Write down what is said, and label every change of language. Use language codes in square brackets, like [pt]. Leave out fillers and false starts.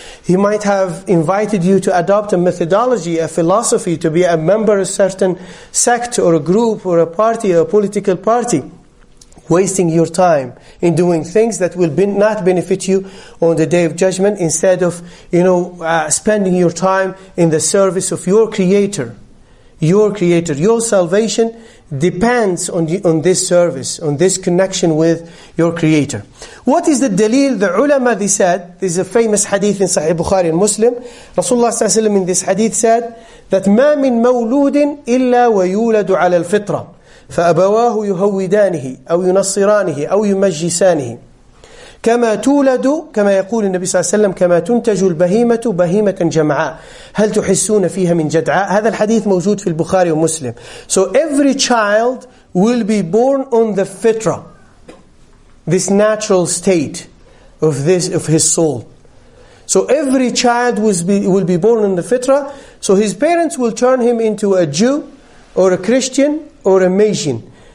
[en] He might have invited you to adopt a methodology, a philosophy, to be a member of a certain sect or a group or a party, or a political party, wasting your time in doing things that will not benefit you on the Day of Judgment, instead of spending your time in the service of your Creator. Your Creator, your salvation depends on this service, on this connection with your Creator. What is the dalil? The ulama, they said, this is a famous hadith in Sahih Bukhari and Muslim. Rasulullah sallallahu alaihi wasallam in this hadith said that [ar] ما من مولود إلا ويولد على الفطرة فأبواه يهودانه أو ينصرانه أو يمجسانه. كما تولد كما يقول النبي صلى الله عليه وسلم كما تنتج البهيمة بهيمة جمعاء هل تحسون فيها من جدعاء. هذا الحديث موجود في البخاري ومسلم. [en] So every child will be born on the fitra, this natural state of this of his soul. So every child will be born in the fitra. So his parents will turn him into a Jew or a Christian or a Magian.